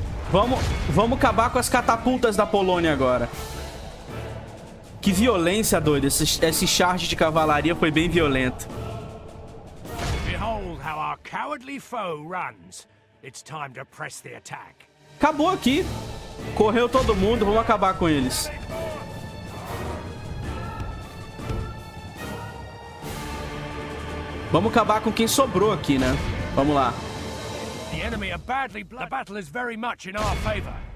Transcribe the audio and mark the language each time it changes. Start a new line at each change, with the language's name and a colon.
Portuguese: Vamos acabar com as catapultas da Polônia agora. Que violência, doido. Esse charge de cavalaria foi bem violento.
English: Behold how our cowardly foe runs. It's time to press the attack.
Portuguese: Acabou aqui. Correu todo mundo, vamos acabar com eles. Vamos acabar com quem sobrou aqui, né? Vamos lá.
English: The enemy are badly blood. The battle is very much in our favor.